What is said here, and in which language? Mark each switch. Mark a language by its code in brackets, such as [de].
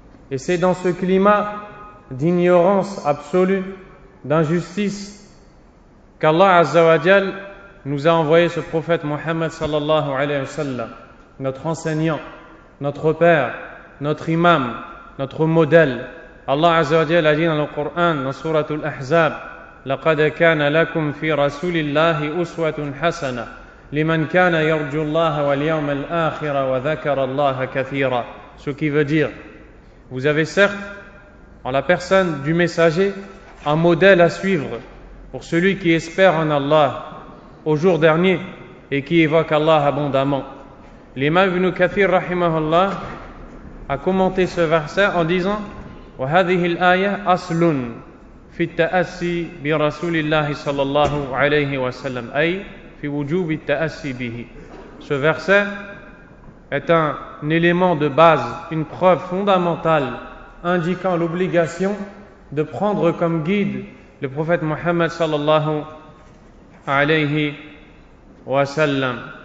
[fr] Et c'est dans ce climat d'ignorance absolue, d'injustice, qu'Allah azza wa jal nous a envoyé ce prophète Mohammed sallallahu alayhi wa sallam, notre enseignant, notre père, notre imam, notre modèle. Allah azza wa jal a dit dans le Coran, dans surat al-Ahzab, [ar] لقد كان لكم في رسول الله أسوة حسنة لمن كان يرجو الله واليوم الآخر وذكر الله كثيرا. [fr] Ce qui veut dire, vous avez certes en la personne du messager un modèle à suivre pour celui qui espère en Allah au jour dernier et qui évoque Allah abondamment. L'imam ibn Kathir rahimahullah a commenté ce verset en disant [ar] وهذه الآية أصل في التأسي برسول الله صلى الله عليه وسلم أي في وجوب التأسي به. [fr] Ce verset est un élément de base, une preuve fondamentale indiquant l'obligation de prendre comme guide le prophète Mohammed sallallahu alayhi wa sallam.